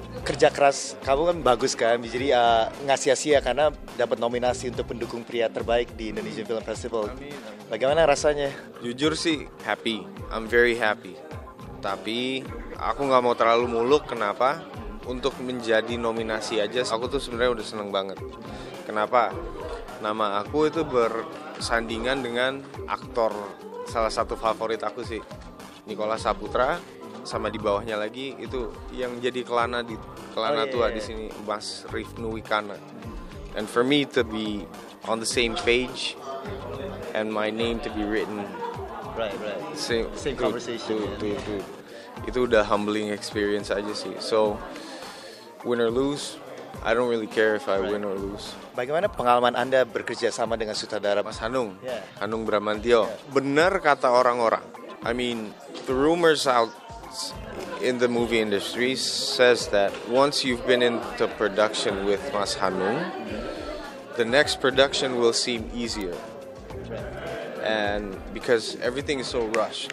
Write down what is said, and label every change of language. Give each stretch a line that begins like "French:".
Indonesian: Kerja keras kamu kan bagus kan, jadi nggak sia-sia karena dapat nominasi untuk pendukung pria terbaik di Indonesia Film Festival. Bagaimana rasanya? Jujur sih
English: happy, I'm very happy.
Indonesian: Tapi aku nggak mau terlalu muluk. Kenapa? Untuk menjadi nominasi aja, aku tuh sebenarnya udah seneng banget. Kenapa? Nama aku itu bersandingan dengan aktor. Salah satu favorit aku sih Nicholas Saputra, sama di bawahnya lagi itu yang jadi Kelana di Kelana di sini, Mas Rifnu Wikana.
English: And for me to be on the same page and my name to be written, same conversation,
Indonesian: itu udah
English: humbling experience
Indonesian: aja sih.
English: So win or lose, I don't really care if I win or lose.
Indonesian: Bagaimana pengalaman Anda bekerja sama dengan sutradara Mas Hanung? Hanung Bramantio. Benar kata orang-orang.
English: I mean, the rumors out in the movie industry says that once you've been into production with Mas Hanung, the next production will seem easier. And because everything is so rush.